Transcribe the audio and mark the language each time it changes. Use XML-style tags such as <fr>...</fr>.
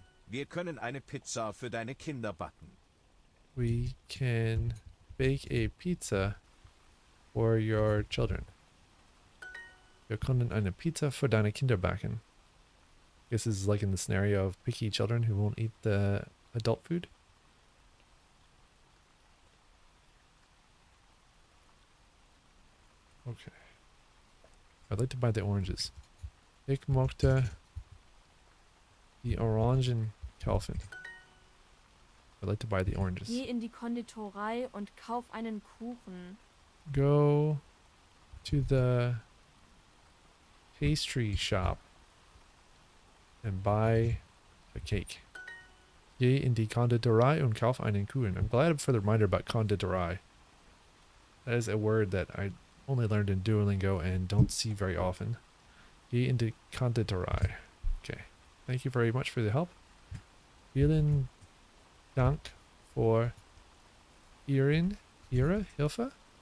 <de>Wir können eine Pizza für deine Kinder backen.</de> <en>We can bake a pizza for your children.</en> <de>Wir können eine Pizza für deine Kinder backen.</de> <en>I guess this is like in the scenario of picky children who won't eat the adult food. Okay. I'd like to buy the oranges.</en> <de>Ich möchte die Orangen kaufen.</de> <en>I'd like to buy the oranges.</en> <de>Geh in die Konditorei und kauf einen Kuchen.</de> <en>Go to the pastry shop and buy a cake.</en> <de>Geh in die Konditorei und kauf einen Kuchen.</de> <en>I'm glad for the reminder about Konditorei. That is a word that I only learned in Duolingo and don't see very often.</en> <de>Geh in die Konditorei.</de> <en>Okay. Thank you very much for the help.</en> <de>Vielen Dank für Ihre Hilfe.</de>